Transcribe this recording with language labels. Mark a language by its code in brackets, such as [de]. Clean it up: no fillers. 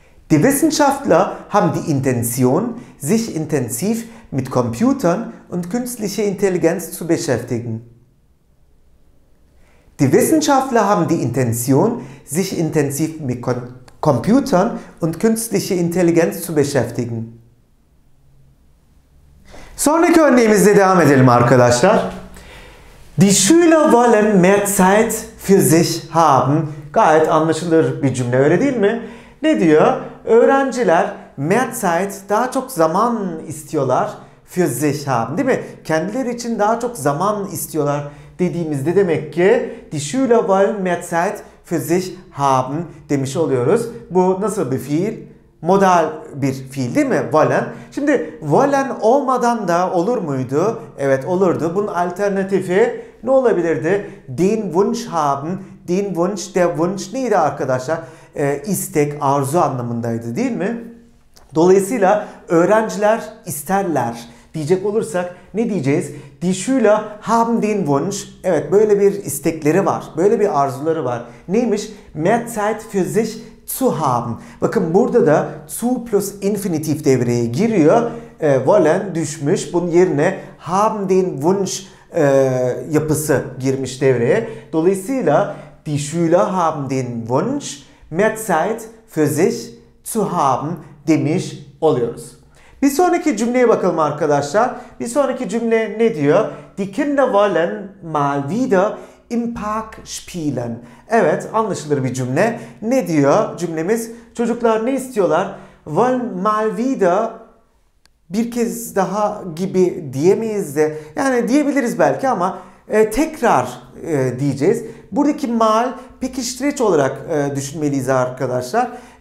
[de] Die Wissenschaftler haben die Intention, sich intensiv mit Computern und künstlicher Intelligenz zu beschäftigen. Die Wissenschaftler haben die Intention, sich intensiv mit Computern und künstlicher Intelligenz zu beschäftigen. [tr] Sonraki örneğimizle devam edelim arkadaşlar. [de] Die Schüler wollen mehr Zeit für sich haben. [tr] Gayet anlaşılır bir cümle, öyle değil mi? Ne diyor? Öğrenciler [de] mehr Zeit, [tr] daha çok zaman istiyorlar [de] für sich haben, [tr] değil mi? Kendileri için daha çok zaman istiyorlar dediğimizde demek ki [de] die Schüler wollen mehr Zeit für sich haben [tr] demiş oluyoruz. Bu nasıl bir fiil? Modal bir fiil değil mi? Wollen. Şimdi wollen olmadan da olur muydu? Evet, olurdu. Bunun alternatifi ne olabilirdi? [de] Den Wunsch haben. [tr] Den Wunsch, der Wunsch neydi arkadaşlar? İstek, arzu anlamındaydı değil mi? Dolayısıyla öğrenciler isterler diyecek olursak ne diyeceğiz? [de] Die Schüler haben den Wunsch. [tr] Evet, böyle bir istekleri var. Böyle bir arzuları var. Neymiş? [de] Mehr Zeit für sich zu haben. [tr] Bakın burada da zu plus infinitif devreye giriyor. Wollen düşmüş. Bunun yerine [de] haben den Wunsch [tr] yapısı girmiş devreye. [de] Dolayısıyla die Schüler haben den Wunsch mehr Zeit für sich zu haben [tr] demiş oluyoruz. Bir sonraki cümleye bakalım arkadaşlar. Bir sonraki cümle ne diyor? [de] Die Kinder wollen mal wieder im Park spielen. [tr] Evet, anlaşılır bir cümle. Ne diyor cümlemiz? Çocuklar ne istiyorlar? [de] Wollen mal wieder, [tr] bir kez daha gibi diyemeyiz de. Yani diyebiliriz belki ama tekrar diyeceğiz. Buradaki mal pekiştireç olarak düşünmeliyiz arkadaşlar.